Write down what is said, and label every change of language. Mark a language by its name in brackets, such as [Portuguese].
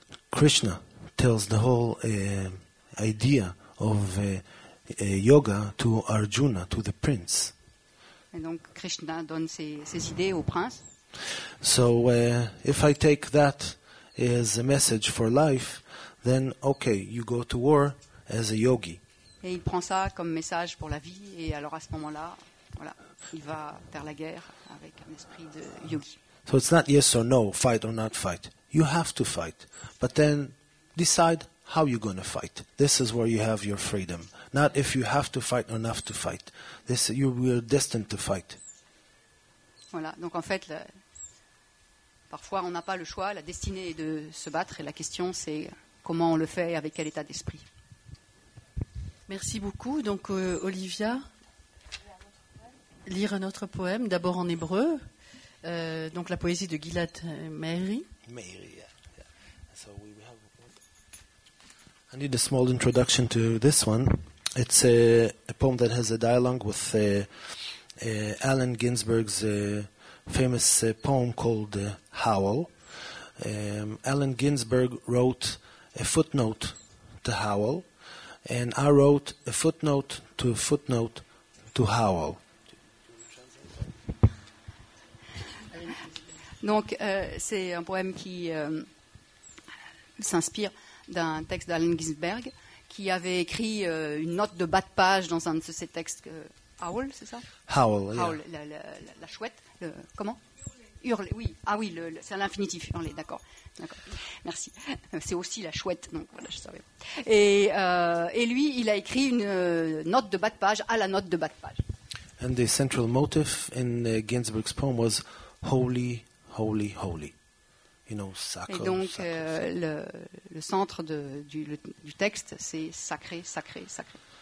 [English] Krishna tells the whole idea of yoga to Arjuna, to the prince. [French] Et donc Krishna donne ses idées au prince. [English] So if I take that as a message for life, then okay, you go to war as a yogi. [French] Et il prend ça comme message pour la vie, et alors à ce moment-là, voilà, il va faire la guerre avec un esprit de yogi. [English] So it's not yes or no, fight or not fight. You have to fight, but then decide how you're going to fight. This is where you have your freedom. Not if you have to fight or not to fight. This, you are destined to fight. [French] Voilà, donc en fait, parfois on n'a pas le choix, la destinée est de se battre, et la question c'est comment on le fait et avec quel état d'esprit. Merci beaucoup. Donc, Olivia, lire un autre poème, d'abord en hébreu. Donc, la poésie de Gilad Meiri. [English] Meiri, yeah. So we have. I need a small introduction to this one. It's a poem that has a dialogue with Allen Ginsberg's famous poem called Howl. Allen Ginsberg wrote a footnote to Howl. And I wrote a footnote to a footnote to Howell. [French] Donc, c'est un poème qui s'inspire d'un texte d'Allen Ginsberg qui avait écrit une note de bas de page dans un de ces textes. Howell, c'est ça? Howell, oui. Howell, la chouette. Comment? Hurler, oui. Ah oui, c'est à l'infinitif, hurler, d'accord. D'accord, merci. C'est aussi la chouette, donc voilà, je savais. Et lui, il a écrit une note de bas de page à la note de bas de page. [English] And the central motif in Ginsberg's poem was holy, holy, holy. You know, sacre. [French] Et donc, sacre, le centre du texte, c'est sacré, sacré, sacré.